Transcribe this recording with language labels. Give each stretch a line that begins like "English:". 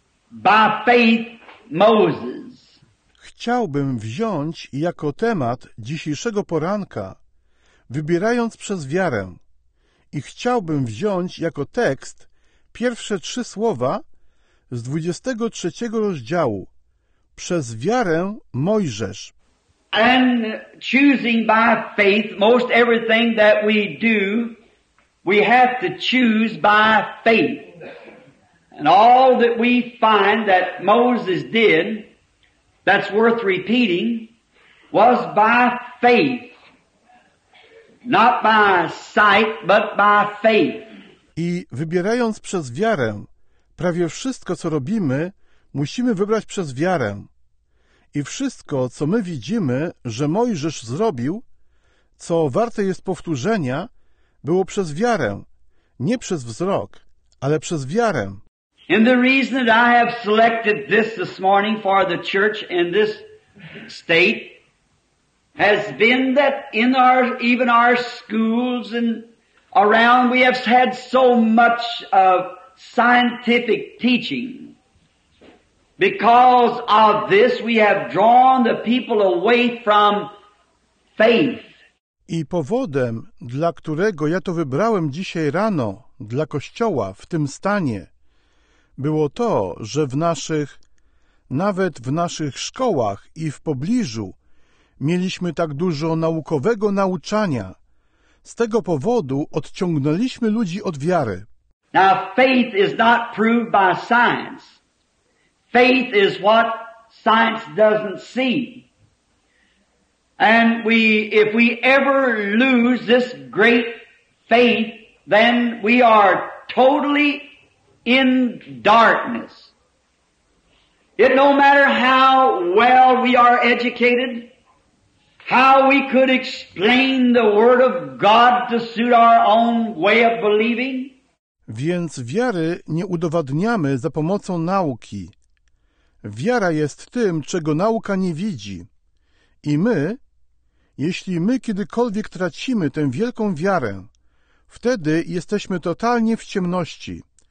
English: By faith, Moses.
Polish: Chciałbym wziąć jako temat dzisiejszego poranka, wybierając przez wiarę, i chciałbym wziąć jako tekst pierwsze trzy słowa z 23 rozdziału. Przez wiarę Mojżesz.
English: And choosing by faith, most everything that we do, we have to choose by faith. And all that we find that Moses did, that's worth repeating, was by faith. Not by sight, but by faith.
Polish: I wybierając przez wiarę, prawie wszystko, co robimy, musimy wybrać przez wiarę. I wszystko, co my widzimy, że Mojżesz zrobił, co warte jest powtórzenia, było przez wiarę, nie przez wzrok, ale przez wiarę.
English: And the reason that I have selected this morning for the church in this state has been that in our, even our schools and around, we have had so much of scientific teaching. Because of this, we have drawn the people away from faith.
Polish: I powodem, dla którego ja to wybrałem dzisiaj rano dla kościoła w tym stanie, było to, że w naszych, nawet w naszych szkołach i w pobliżu, mieliśmy tak dużo naukowego nauczania. Z tego powodu odciągnęliśmy ludzi od wiary.
English: Now faith is not proved by science. Faith is what science doesn't see. And we, if we ever lose this great faith, then we are totally in darkness. It no matter how well we are educated, how we could explain the word of God to suit our own way of believing.
Polish: Więc wiary nie udowadniamy za pomocą nauki. Wiara jest tym, czego nauka nie widzi. I my, jeśli my kiedykolwiek tracimy tę wielką wiarę, wtedy jesteśmy totalnie w ciemności.